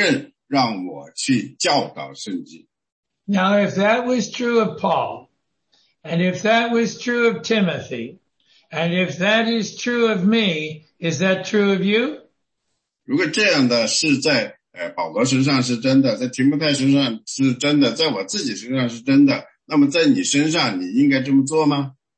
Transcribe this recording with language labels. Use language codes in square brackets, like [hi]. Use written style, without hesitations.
[zh] 也不光光是我有了这样一个我得到永生的这样的话，同样呢，是神给我的责任，让我去教导圣经。 [en] Now, if that was true of Paul, and if that was true of Timothy, and if that is true of me, is that true of you? [zh] 如果这样的是在保罗身上是真的，在提摩太身上是真的，在我自己身上是真的，那么在你身上，你应该这么做吗？